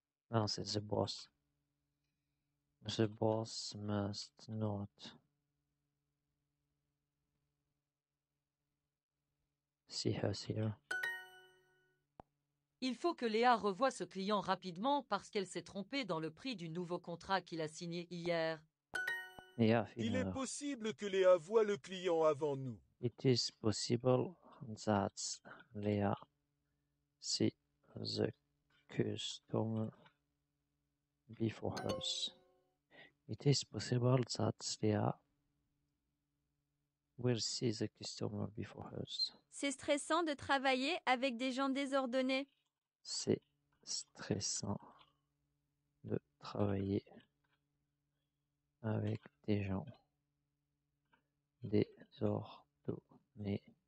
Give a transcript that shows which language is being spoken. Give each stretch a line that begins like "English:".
French: Non, c'est
English: the boss. The boss must not see us here.
French: Il faut que Léa revoie ce client rapidement parce qu'elle s'est trompée dans le prix du nouveau contrat qu'il a signé hier. Il est possible que Léa voie le client avant nous.
English: It is possible that Léa see the customer before us. It is possible that Léa will see the customer before us.
French: C'est stressant de travailler avec des gens désordonnés. C'est stressant de travailler avec des gens désordonnés.